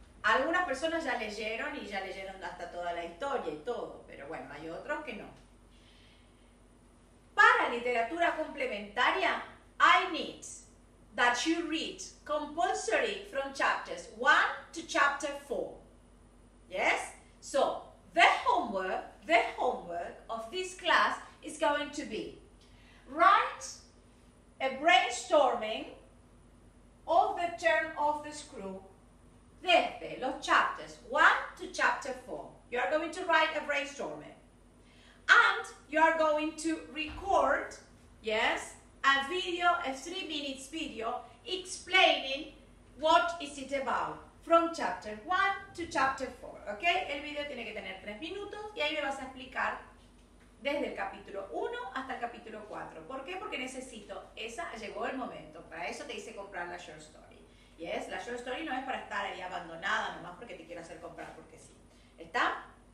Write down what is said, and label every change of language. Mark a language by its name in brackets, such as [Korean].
[Spanish] Algunas personas ya leyeron y ya leyeron hasta toda la historia y todo, pero bueno, hay otros que no. Para literatura complementaria, [English] I need that you read compulsory from chapters 1 to chapter 4. Yes? So, the homework of this class is going to be write a brainstorming of the term of the screw [Spanish] desde los [English] chapters 1 to chapter 4. You are going to write a brainstorming. And you are going to record, yes, a video, a 3-minute video explaining what is it about from chapter 1 to chapter 4. Okay? [Spanish] El video tiene que tener 3 minutos y ahí me vas a explicar desde el capítulo 1 hasta el capítulo 4. ¿Por qué? Porque necesito, esa llegó el momento. Para eso te hice comprar la short story. Yes, [English] la short story [Spanish] no es para estar ahí abandonada, nomás porque te quiero hacer comprar, porque sí. ¿Está?